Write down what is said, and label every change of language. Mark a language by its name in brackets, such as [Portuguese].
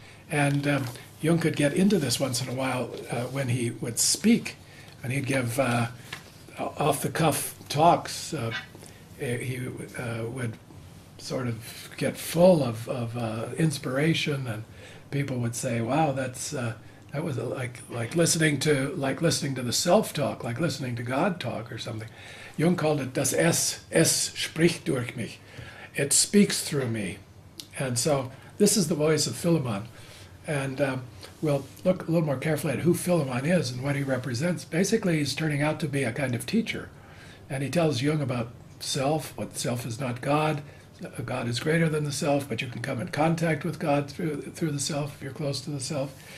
[English] And Jung could get into this once in a while when he would speak, and he'd give off-the-cuff talks. He would sort of get full of inspiration, and people would say, "Wow, that's." That was like listening to the self talk, like listening to God talk or something. Jung called it [German] das Es spricht durch mich. [English] It speaks through me. And so this is the voice of Philemon. And we'll look a little more carefully at who Philemon is and what he represents. Basically, he's turning out to be a kind of teacher. And he tells Jung about self, what self is not God. God is greater than the self, but you can come in contact with God through the self if you're close to the self.